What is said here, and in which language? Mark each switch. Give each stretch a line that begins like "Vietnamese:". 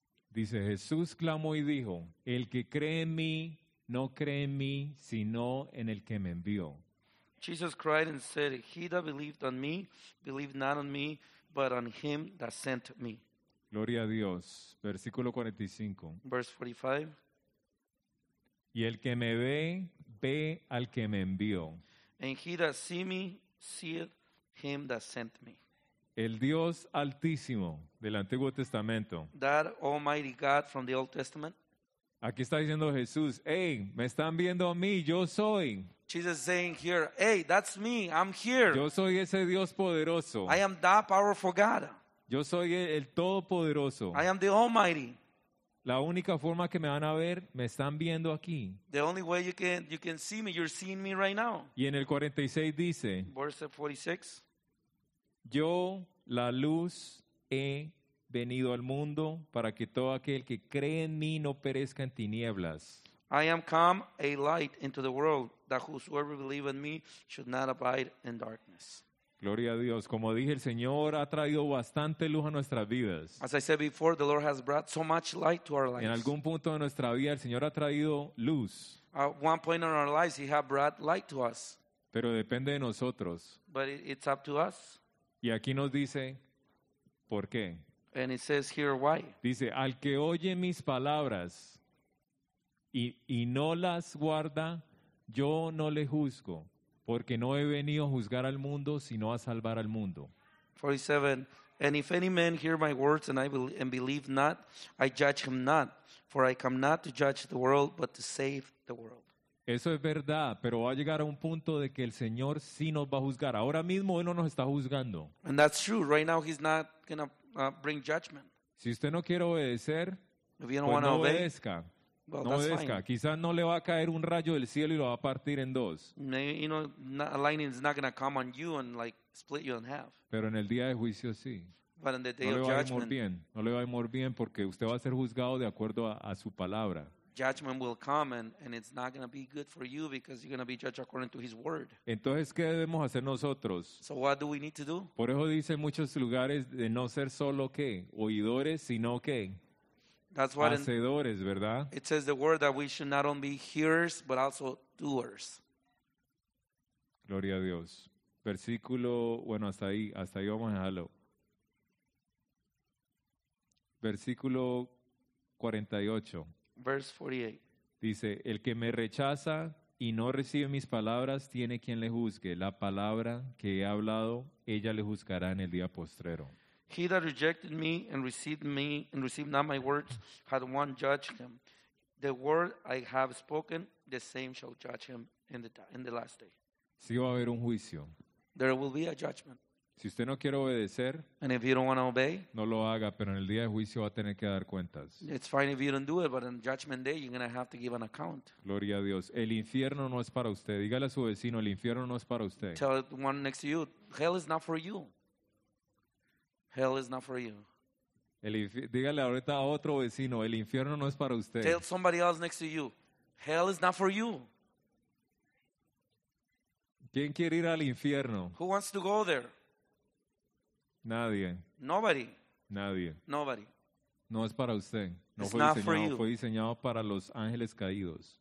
Spanish: Dice, Jesús clamó y dijo, el que cree en mí, no cree en mí, sino en el que me envió.
English: Jesus cried and said, he that believed on me, believed not on me, but on him that sent me.
Spanish: Gloria a Dios. Versículo 45.
English: Verse 45.
Spanish: Y el que me ve, ve al que me envió.
English: And he that see me, seeth him that sent me.
Spanish: El Dios Altísimo del Antiguo Testamento.
English: That Almighty God from the Old Testament.
Spanish: Aquí está diciendo Jesús, hey, me están viendo a mí, yo soy.
English: Jesus saying here, hey, that's me, I'm here.
Spanish: Yo soy ese Dios poderoso.
English: I am that powerful God.
Spanish: Yo soy el Todopoderoso.
English: I am the Almighty.
Spanish: La única forma que me van a ver, me están viendo aquí.
English: The only way you can see me, you're seeing me right now.
Spanish: Y en el 46 dice,
English: verse 46,
Spanish: yo, la luz, he venido al mundo para que todo aquel que cree en mí no perezca en tinieblas.
English: I am come a light into the world, that whosoever believes in me should not abide in darkness.
Spanish: Gloria a Dios. Como dije, el Señor ha traído bastante luz a nuestras vidas.
English: As I said before, the Lord has brought so much light to our lives.
Spanish: En algún punto de nuestra vida, el Señor ha traído luz.
English: At one point in our lives, he has brought light to us.
Spanish: Pero depende de nosotros.
English: But it's up to us.
Spanish: Y aquí nos dice, ¿por qué?
English: And it says here why.
Spanish: Dice, al que oye mis palabras y no las guarda, yo no le juzgo, porque no he venido a juzgar al mundo, sino a salvar al mundo.
English: 47, and if any man hear my words and believe not, I judge him not, for I come not to judge the world, but to save the world.
Spanish: Eso es verdad, pero va a llegar a un punto de que el Señor sí nos va a juzgar. Ahora mismo Él no nos está juzgando.
English: And that's true. Right now He's not going to bring judgment.
Spanish: Si usted no quiere obedecer, pues no obedezca.
English: Well,
Spanish: no obedezca.
English: Fine.
Spanish: Quizás no le va a caer un rayo del cielo y lo va a partir en dos.
English: Maybe, you know, not, a lightning is not going to come on you and like split you in half.
Spanish: Pero en el día de juicio sí.
English: But on the day
Spanish: no
English: of
Spanish: le va
English: judgment,
Spanish: a ir muy bien. No le va a ir muy bien porque usted va a ser juzgado de acuerdo a su palabra.
English: Judgment will come and it's not going to be good for you because you're going to be judged according to his word.
Spanish: Entonces, ¿qué debemos hacer nosotros?
English: So what do we need to do?
Spanish: Por eso dice en muchos lugares de no ser solo qué, oidores, sino qué.
English: That's what
Spanish: hacedores, ¿verdad?
English: It says the word that we should not only be hearers but also doers.
Spanish: Gloria a Dios. Versículo, bueno, hasta ahí vamos a dejarlo. Versículo 48.
English: Verse 48.
Spanish: Dice, el que me rechaza y no recibe mis palabras, tiene quien le juzgue. La palabra que he hablado, ella le juzgará en el día postrero.
English: He that rejected me and received not my words, had one judge him. The word I have spoken, the same shall judge him in the last day.
Spanish: Sí va a haber un juicio.
English: There will be a judgment.
Spanish: Si usted no quiere obedecer,
English: and if you don't want to obey,
Spanish: no lo haga, pero en el día de juicio va a tener que dar cuentas.
English: It's fine if you don't do it, but on judgment day you're going to have to give an account.
Spanish: Gloria a Dios. El infierno no es para usted. Dígale a su vecino, el infierno no es para usted.
English: Tell the one next to you, hell is not for you. Hell is not for you.
Spanish: Dígale ahorita a otro vecino, el infierno no es para usted.
English: Tell somebody else next to you, hell is not for you.
Spanish: ¿Quién quiere ir al infierno?
English: Who wants to go there?
Spanish: Nadie.
English: Nobody.
Spanish: Nadie.
English: Nobody.
Spanish: No es para usted. No
English: it's
Spanish: fue
English: not
Spanish: diseñado,
English: for you.
Spanish: Fue diseñado para los ángeles caídos.